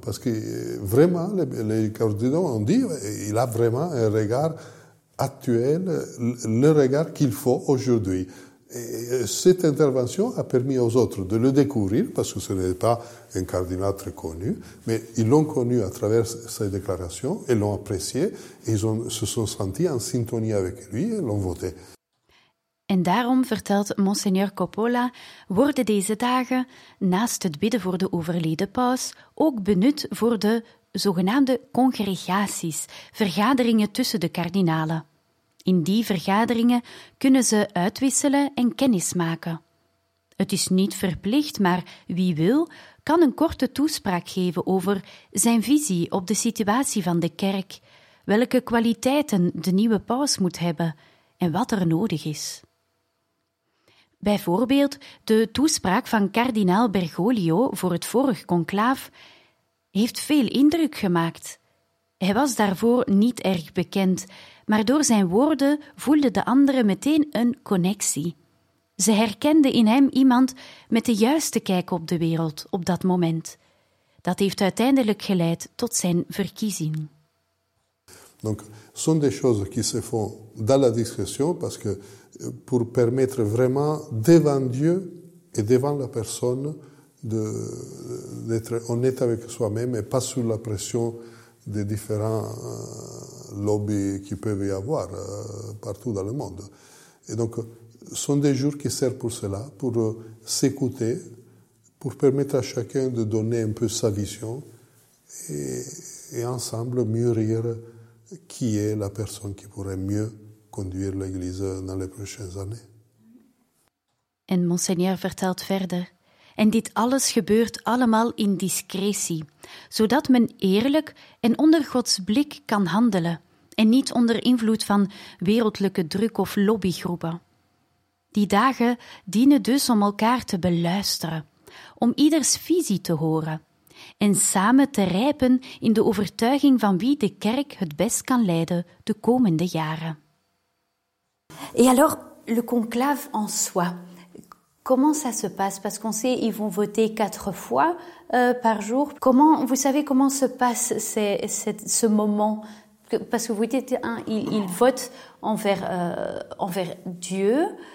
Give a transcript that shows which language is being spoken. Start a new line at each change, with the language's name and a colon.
French: Parce que vraiment, les cardinaux ont dit il a vraiment un regard actuel, le regard qu'il faut aujourd'hui. Cette intervention a permis aux autres de le découvrir, parce que ce n'est pas un cardinal très connu, mais ils l'ont connu à travers ses déclarations et l'ont apprécié, et ils se sont sentis en syntonie avec lui et l'ont voté.
Dutch: En daarom, vertelt Monseigneur Coppola, worden deze dagen, naast het bidden voor de overleden paus, ook benut voor de zogenaamde congregaties, vergaderingen tussen de kardinalen. In die vergaderingen kunnen ze uitwisselen en kennis maken. Het is niet verplicht, maar wie wil, kan een korte toespraak geven over zijn visie op de situatie van de kerk, welke kwaliteiten de nieuwe paus moet hebben en wat er nodig is. Bijvoorbeeld de toespraak van kardinaal Bergoglio voor het vorig conclaaf heeft veel indruk gemaakt. Hij was daarvoor niet erg bekend, maar door zijn woorden voelden de anderen meteen een connectie. Ze herkenden in hem iemand met de juiste kijk op de wereld op dat moment. Dat heeft uiteindelijk geleid tot zijn verkiezing.
French: Donc, sont des choses qui se font dans la discrétion parce que pour permettre vraiment devant Dieu et devant la personne d'être honnête avec soi-même et pas sous la pression des différents lobbies qui peuvent y avoir partout dans le monde. Et donc, sont des jours qui servent pour cela, pour s'écouter, pour permettre à chacun de donner un peu sa vision et ensemble mûrir qui est la personne qui pourrait mieux conduire l'Église dans les prochaines années.
Dutch: En Monseigneur vertelt verder. En dit alles gebeurt allemaal in discretie, zodat men eerlijk en onder Gods blik kan handelen en niet onder invloed van wereldlijke druk of lobbygroepen. Die dagen dienen dus om elkaar te beluisteren, om ieders visie te horen en samen te rijpen in de overtuiging van wie de kerk het best kan leiden de komende jaren.
French: Et alors, le conclave en soi, comment ça se passe? Parce qu'on sait ils vont voter 4 fois par jour. Comment, vous savez comment se passe ce moment? Parce que vous dites, ils votent envers Dieu.